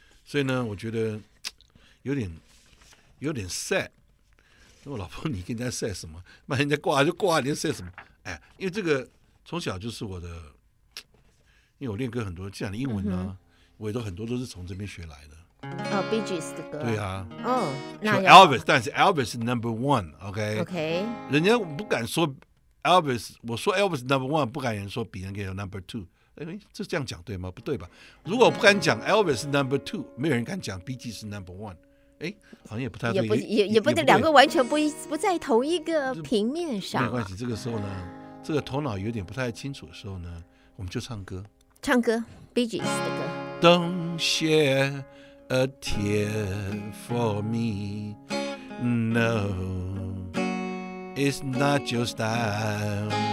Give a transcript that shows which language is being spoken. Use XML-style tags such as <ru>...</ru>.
<zh>所以呢我觉得有点</zh> <en>sad。</en> <zh>我老婆你跟人家</zh> <en>sad</en> <zh>什么，人家挂就挂，你 sad 什么？哎，因为这个从小就是我的，因为我练歌很多，这样的英文呢、我也都很多都是从这边学来的。哦、Bee Gees 的歌，对啊，哦，那</zh> <en>Elvis，</en> <zh>但是</zh> <en>Elvis</en> <zh>是</zh> <en>Number One， OK， OK，</en> <zh>人家不敢说 Elvis， 我说 Elvis</zh> <en>Number One，</en> <zh>不敢人说别人给有</zh> <en>Number Two，</en> <zh>哎，这是这样讲对吗？不对吧？如果不敢讲 Elvis 是</zh> <en>Number Two，</en> <zh>没有人敢讲 Bee Gees 是</zh> <en>Number One，</en> <zh>哎，好像也不太对，也不对，两个完全不在同一个平面上。没关系，这个时候呢，这个头脑有点不太清楚的时候呢，我们就唱歌，唱歌 Bee Gees 的歌，冬雪。</zh> <en>A tear for me, no, it's not your style.</en>